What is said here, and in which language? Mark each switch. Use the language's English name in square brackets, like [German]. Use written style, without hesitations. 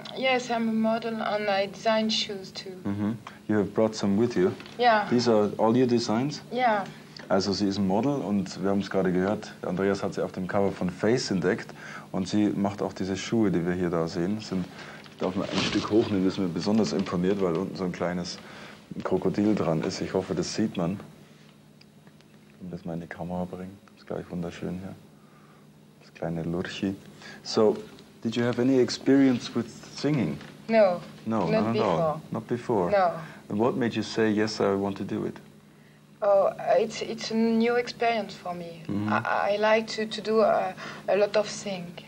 [English] Yes, I'm a model and I design shoes too. You have brought some with you. Yeah. These are all your designs? Yeah. [German] Also sie ist ein Model und wir haben es gerade gehört, Andreas hat sie auf dem Cover von Face entdeckt und sie macht auch diese Schuhe, die wir hier da sehen. Sind, ich darf mal ein Stück hochnehmen, das ist mir besonders imponiert, weil unten so ein kleines Krokodil dran ist. Ich hoffe, das sieht man. Ich kann das mal in die Kamera bringen. Das ist gleich wunderschön hier. Kleine Lurchi. [English] So, did you have any experience with singing? No. No, not no, no, No, not before. No. And what made you say, yes, I want to do it? Oh, it's a new experience for me. I like to do a lot of sing.